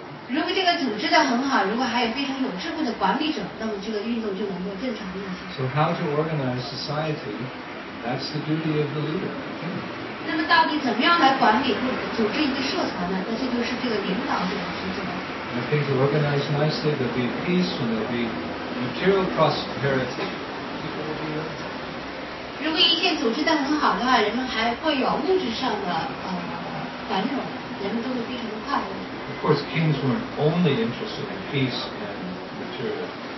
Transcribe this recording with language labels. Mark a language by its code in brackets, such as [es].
[zh] 如果这个组织的很好如果还有非常有智慧的管理者那么这个运动就能够正常运行 [en] So how to organize society, that's the duty of the leader. [zh] 那么到底怎么样来管理组织一个社团呢那这就是这个领导者的职责 [en] I think to organize nicely, there'll be peace and there'll be material prosperity. [zh] 如果一切组织得很好的话人们还会有物质上的繁荣人们都会非常的快乐 [en] Of course, kings weren't only interested in peace and material